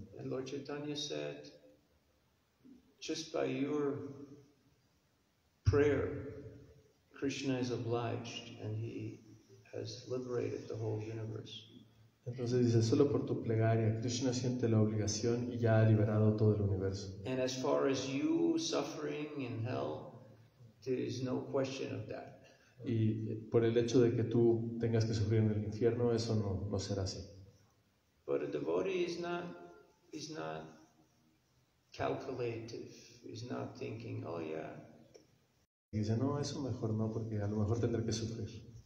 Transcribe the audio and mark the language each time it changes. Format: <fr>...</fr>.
<en>And Lord Chaitanya said, just by your prayer, Krishna is obliged, and he has liberated the whole universe.</en> <es>Entonces dice, solo por tu plegaria, Krishna siente la obligación y ya ha liberado todo el universo.</es> <en>And as far as you suffering in hell, there is no question of that.</en> <es>Y por el hecho de que tú tengas que sufrir en el infierno, eso no será así.</es> <en>But a devotee is not calculative, is not thinking, oh yeah.</en> <es>Y dice, no, eso mejor no, porque a lo mejor tendré que sufrir.</es>